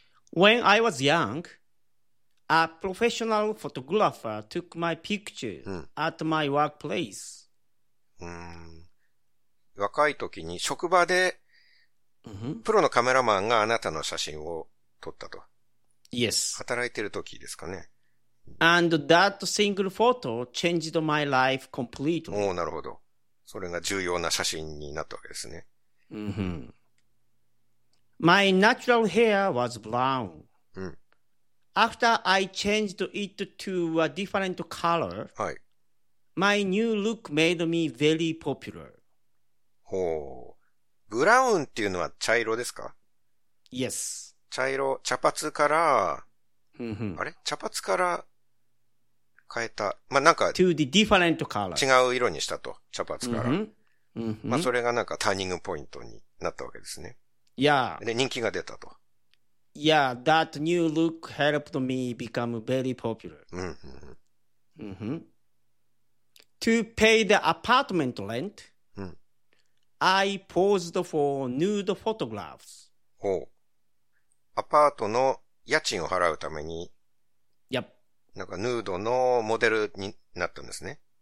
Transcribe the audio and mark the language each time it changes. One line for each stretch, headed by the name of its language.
English: When I was young, a professional photographer took my picture at my workplace.
Japanese: 若い時に職場でプロのカメラマンがあなたの写真を撮ったと。
English: Yes.
Japanese: 働いてる時ですかね。
English: And that single photo changed my life completely.
Japanese: おお、なるほど。それが重要な写真になったわけですね。
English: My natural hair was brown. After I changed it to a different color.
Japanese: はい。
English: My new look made me very popular.
Japanese: ほう。ブラウンっていうのは茶色ですか？
English: Yes.
Japanese: 茶色、茶髪から、あれ？茶髪から変えた。まあ、なんか、
English: to the different color.
Japanese: 違う色にしたと。茶髪から。まあ、それがなんかターニングポイントになったわけですね。
English: Yeah.
Japanese: で、人気が出たと。
English: Yeah, that new look helped me become very popular. To pay the apartment rent, I posed for nude photographs.
Japanese: ほう。アパートの家賃を払うために、
English: Yep.
Japanese: なんかヌードのモデルになったんですね。